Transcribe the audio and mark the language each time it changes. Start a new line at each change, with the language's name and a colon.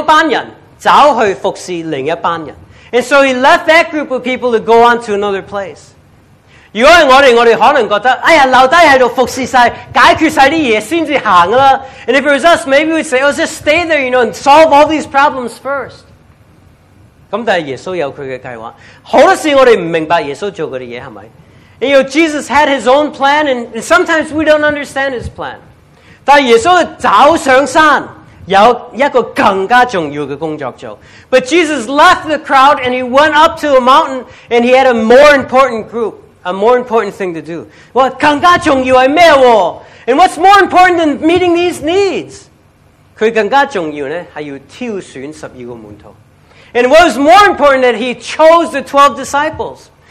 Chinese: 于是他留下那班人，走去服侍另一班人。
English: And so he left that group of people to go on to another place.
Chinese: 如果是我们，我们可能觉得，哎呀，留下来就服侍，解决这些事才行。
English: And if it was us, maybe we'd say, oh, just stay there, you know, and solve all these problems first.
Chinese: 但是耶稣有他的计划，好多事我们不明白耶稣做的事，是不是？
English: You know, Jesus had his own plan, and sometimes we don't understand his plan.
Chinese: 但耶稣走上山，有一个更加重要的工作做。
English: But Jesus left the crowd, and he went up to a mountain, and he had a more important group, a more important thing to do.
Chinese: 哇，更加重要是什么？
English: And what's more important than meeting these needs?
Chinese: 他更加重要是要挑选12个门徒。
English: And what was more important that he chose the 12 disciples?